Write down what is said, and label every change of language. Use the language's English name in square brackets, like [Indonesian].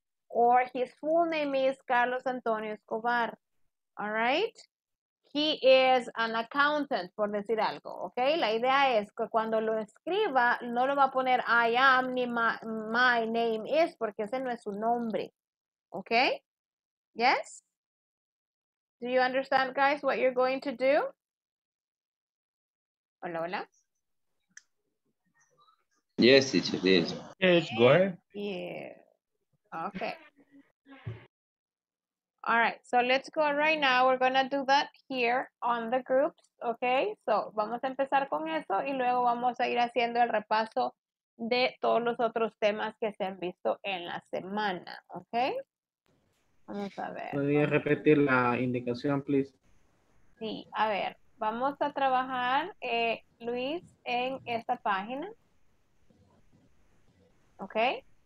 [English] Or his full name is Carlos Antonio Escobar. All right? He is an accountant, [Spanish] por decir algo, [English] ¿ok? [Spanish] La idea es que cuando lo escriba, no lo va a poner I am ni my name is, porque ese no es su nombre, ¿ok? [English] Yes? Do you understand, guys, what you're going to do? [Spanish] Hola, hola. [English] Yes, it is. Yes, go ahead. Yeah. Okay. All right, so let's go right now. We're going to do that here on the groups, okay? [Spanish] So, vamos a empezar con eso y luego vamos a ir haciendo el repaso de todos los otros temas que se han visto en la semana, okay? Vamos a ver. ¿Podría repetir la indicación, please? Sí, a ver, vamos a trabajar, Luis, en esta página, okay?